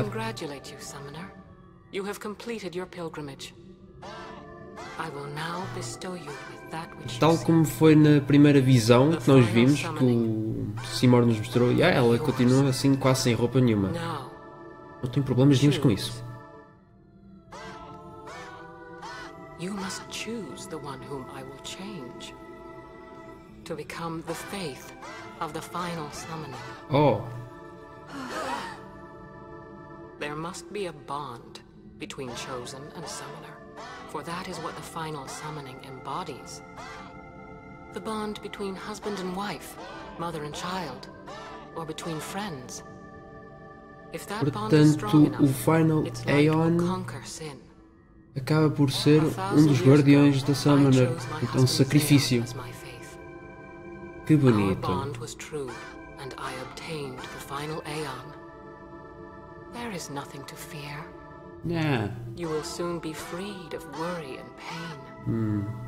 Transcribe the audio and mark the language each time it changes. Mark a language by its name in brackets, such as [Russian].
[English] I congratulate you, Summoner. You have completed your pilgrimage. I will now bestow you with that which [Portuguese] tal como foi na primeira visão que nós vimos, que o Seymour nos mostrou, e ela continua assim quase sem roupa nenhuma. Não tenho problemas nenhum com isso. [English] You must choose the one whom I will change to become the faith of the final summoning. Oh. There must be a bond between chosen and summoner. For that is what the final summoning embodies. The bond between husband and wife, mother and child, or between friends. If that portanto, bond is strong enough, it's like conquer sin. [Portuguese] Acaba por ser um dos guardiões da Summoner. Então, sacrifício. Que bonito. [English] Our bond was true, and I obtained the final Aeon. There is nothing to fear. Yeah. You will soon be freed of worry and pain.